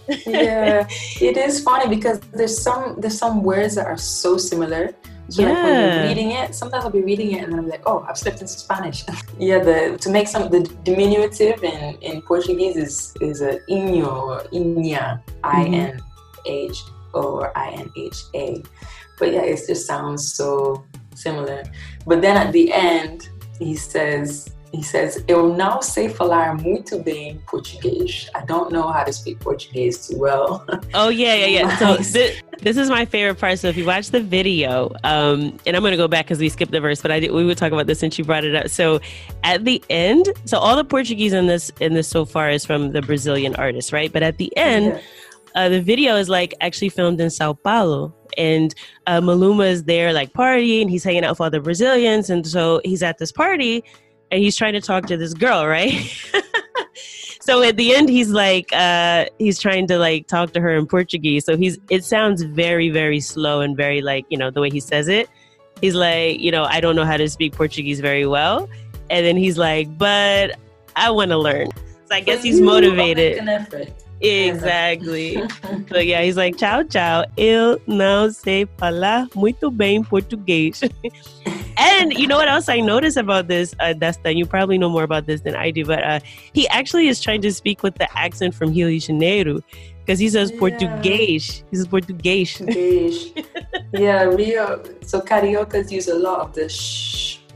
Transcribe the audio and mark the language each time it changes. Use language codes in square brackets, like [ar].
[en] Yeah, it is funny because there's some words that are so similar. So yeah. Like when you're reading it, sometimes I'll be reading it and then I'm like, oh, I've slipped into Spanish. Yeah, the diminutive in Portuguese is a inho or inha, I-N-H or I-N-H-A. But yeah, it just sounds so similar. But then at the end, he says, [pt] eu não sei falar muito bem português. [en] I don't know how to speak Portuguese too well. Oh, yeah. So this is my favorite part. So if you watch the video, and I'm going to go back because we skipped the verse, but we would talk about this since you brought it up. So at the end, so all the Portuguese in this so far is from the Brazilian artist, right? But at the end, the video is like actually filmed in Sao Paulo. And Maluma is there like partying. He's hanging out with all the Brazilians. And so he's at this party and he's trying to talk to this girl, right? So at the end, he's like, he's trying to like talk to her in Portuguese. So it sounds very, very slow and very like, you know, the way he says it. He's like, you know, I don't know how to speak Portuguese very well. And then he's like, but I want to learn. So I guess he's motivated. Exactly. So yeah, he's like, tchau, tchau. [pt] Eu não sei falar muito bem português. [en] And you know what else I noticed about this, Dustin? You probably know more about this than I do, but he actually is trying to speak with the accent from Rio de Janeiro because he says português. He says português. Yeah, Rio. So cariocas use a lot of the shh.